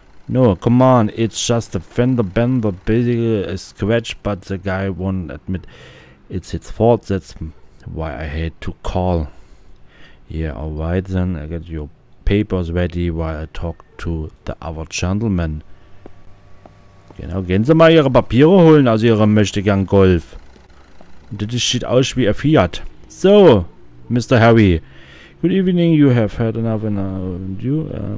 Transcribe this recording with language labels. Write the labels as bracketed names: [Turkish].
[English] No, come on, it's just a fender bender, basically a scratch, but the guy won't admit it's his fault. That's why I had to call. Yeah, alright then, I get your papers ready while I talk to the other gentleman. [German] Genau, gehen Sie mal Ihre Papiere holen aus Ihrem Möchtegern Golf. Das sieht aus wie ein Fiat. So, Mr. Harry. [English] Good evening, you have had enough and you.